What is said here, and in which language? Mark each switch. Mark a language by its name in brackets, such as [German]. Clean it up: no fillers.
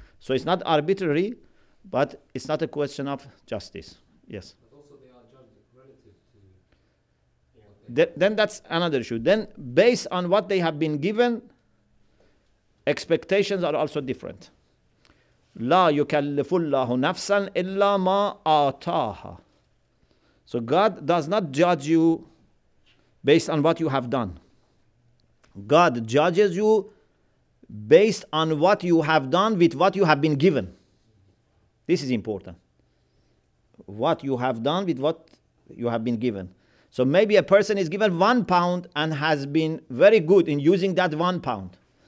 [English] So it's not arbitrary, but it's not a question of justice. Yes. Then that's another issue. Then based on what they have been given, expectations are also different. [Arabic] لا يكلف الله نفسا إلا ما آتاها. [English] So God does not judge you based on what you have done. God judges you based on what you have done with what you have been given. This is important. What you have done with what you have been given. So maybe a person is given 1 pound and has been very good in using that 1 pound.